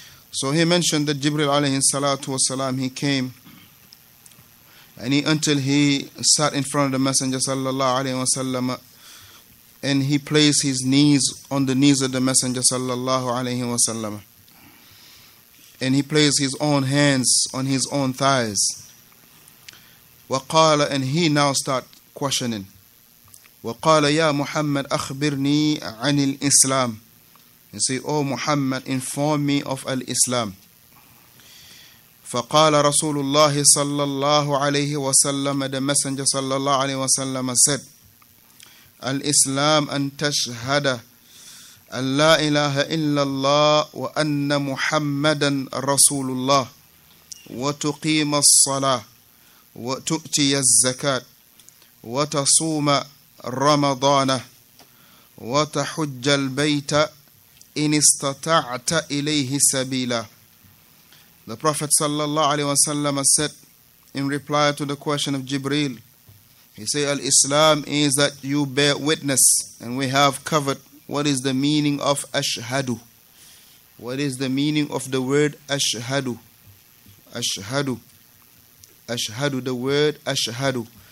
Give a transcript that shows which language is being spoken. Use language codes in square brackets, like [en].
[en] So he mentioned that Jibril alayhi salatu wasalam, he came until he sat in front of the Messenger sallallahu alayhi wasallam, and he placed his knees on the knees of the Messenger sallallahu alayhi wasallam, and he placed his own hands on his own thighs. [ar] Waqala, [en] and he now start questioning. [ar] Waqala, ya Muhammad, akhbirni anil Islam. [en] He say, oh Muhammad, inform me of al-Islam. [ar] فَقَالَ رَسُولُ اللَّهِ صَلَّى اللَّهُ عَلَيْهِ وَسَلَّمَ, [en] the Messenger صلى الله عليه وسلم said, [ar] الإسلام أن تشهد أن لا إله إلا الله وأن محمدا رسول الله وتقيم الصلاة وتؤتي الزكاة وتصوم رمضان وتحج البيت إن استطعت إليه سبيلا. [en] The Prophet sallallahu alaihi wasallam said in reply to the question of Jibreel, he said, al-Islam is that you bear witness, and we have covered what is the meaning of ashhadu. What is the meaning of the word ashhadu? Ashhadu. Ashhadu, the word ashhadu.